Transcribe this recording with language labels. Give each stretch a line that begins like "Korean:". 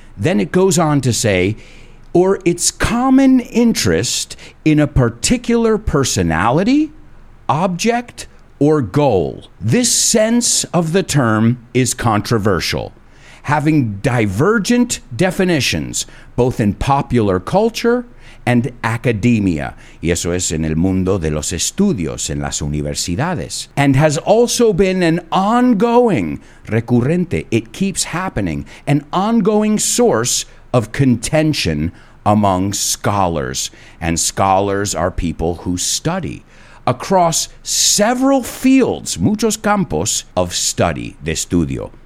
English: Then it goes on to say, or its common interest in a particular personality, object, or goal. This sense of the term is controversial, having divergent definitions, both in popular culture and academia.
Spanish: Y eso es en el mundo de los estudios, en las universidades.
English: And has also been an ongoing, recurrente, it keeps happening, an ongoing source of contention among scholars. And scholars are people who study across several fields,
Spanish: muchos campos
English: of study,
Spanish: de estudio.